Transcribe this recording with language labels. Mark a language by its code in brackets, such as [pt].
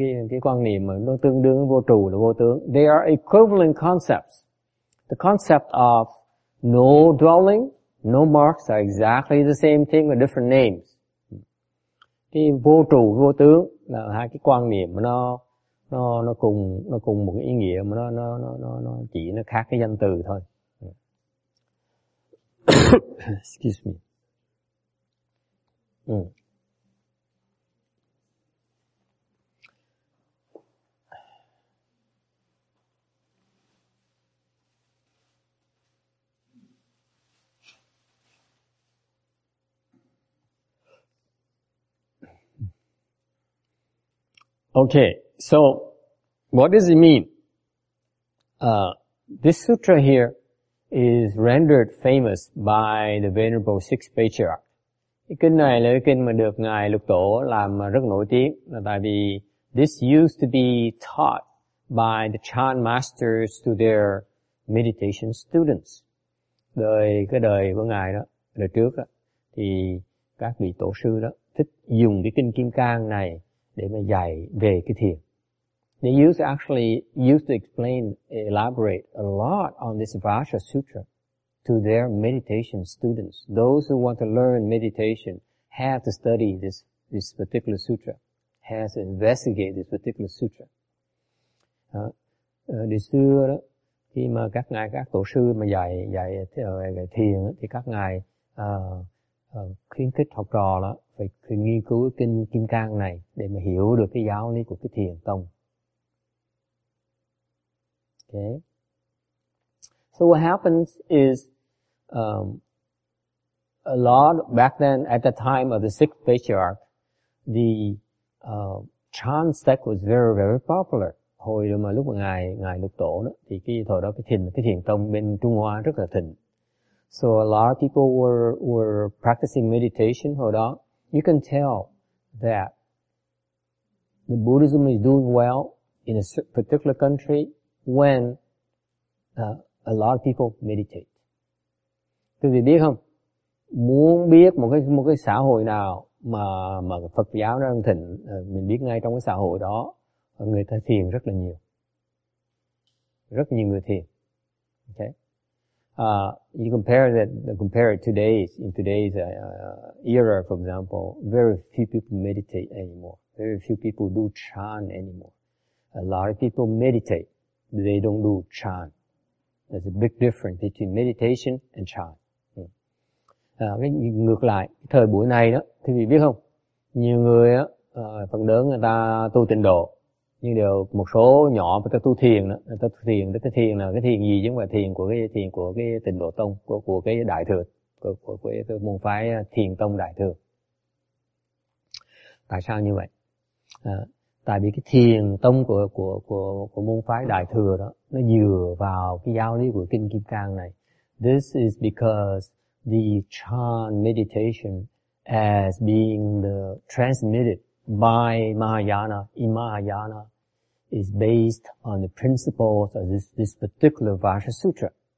[vi] Cái quan niệm mà nó tương đương vô trụ là vô tướng. [en] They are equivalent concepts. The concept of no dwelling, no marks are exactly the same thing with different names. [vi] Cái vô trụ vô tướng là hai cái quan niệm mà nó cùng một cái ý nghĩa mà nó chỉ nó khác cái danh từ thôi. [en] Excuse me. Okay, so what does it mean? This sutra here is rendered famous by the Venerable Sixth Patriarch. [vi] Cái kinh này là cái kinh mà được Ngài Lục Tổ làm rất nổi tiếng, là tại vì [en] this used to be taught by the Chan Masters to their meditation students. [vi] Cái đời của Ngài đó, đời trước đó, thì các vị tổ sư đó thích dùng cái kinh Kim Cang này để mà dạy về cái thiền. [en] They used to explain, elaborate a lot on this Vajra Sutra. to their meditation students. Those who want to learn meditation have to study this particular sutra, has to investigate this particular sutra. [vi] Đời xưa đó, khi mà các ngài, các tổ sư mà dạy thiền thì các ngài khuyến khích học trò đó phải nghiên cứu kinh Kim Cang này để mà hiểu được cái giáo lý của cái thiền tông. [en] Okay. So what happens is, a lot back then at the time of the sixth patriarch, the trance sect was very, very popular. [vi] Hồi mà lúc mà ngài lục tổ đó, thì cái thời đó cái thiền tông bên Trung Hoa rất là thịnh. [en] So a lot of people were practicing meditation. [vi] Hồi đó, [en] you can tell that the Buddhism is doing well in a particular country when a lot of people meditate. [vi] Quý vị biết không? Muốn biết một cái xã hội nào mà Phật giáo đang thịnh, mình biết ngay trong cái xã hội đó người ta thiền rất là nhiều. Rất nhiều người thiền. Okay? [en] You compare that, compare it today's, in today's era, for example, very few people meditate anymore. Very few people do chan anymore. A lot of people meditate. They don't do chan. There's a big difference between meditation and chan. [vi] Ngược lại, thời buổi này đó, thì vì biết không, nhiều người á, phần lớn người ta tu tịnh độ, nhưng đều một số nhỏ người ta tu thiền đó, người ta tu thiền, cái thiền là cái thiền gì chứ không phải thiền của cái tịnh độ tông, của cái đại thừa, của cái môn phái thiền tông đại thừa. Tại sao như vậy? Tại vì cái thiền tông của môn phái đại thừa đó, nó dựa vào cái giáo lý của kinh Kim Cang này. [en] This is because the Chan meditation as being the transmitted by Mahayana in Mahayana is based on the principles of this particular Vajra Sutra.